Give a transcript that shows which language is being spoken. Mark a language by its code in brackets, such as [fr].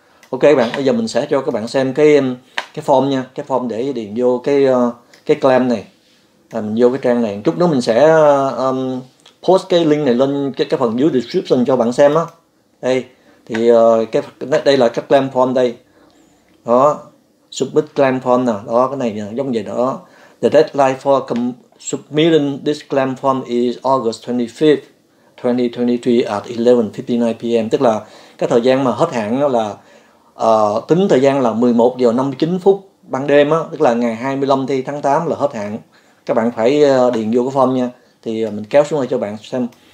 [vi] Ok các bạn, bây giờ mình sẽ cho các bạn xem cái form nha, cái form để điền vô cái claim này. À, mình vô cái trang này, chút nữa mình sẽ post cái link này lên cái phần dưới description cho bạn xem á. Đây, thì cái đây là cái claim form đây. Đó. [en] Submit claim form [vi] nè, đó cái này giống vậy đó. [en] The deadline for submitting this claim form is August 25th, 2023 at 11:59 p.m. [vi] Tức là cái thời gian mà hết hạn là tính thời gian là 11 giờ 59 phút ban đêm á, tức là ngày 25 tháng 8 là hết hạn. Các bạn phải điền vô cái form nha. Thì mình kéo xuống đây cho bạn xem.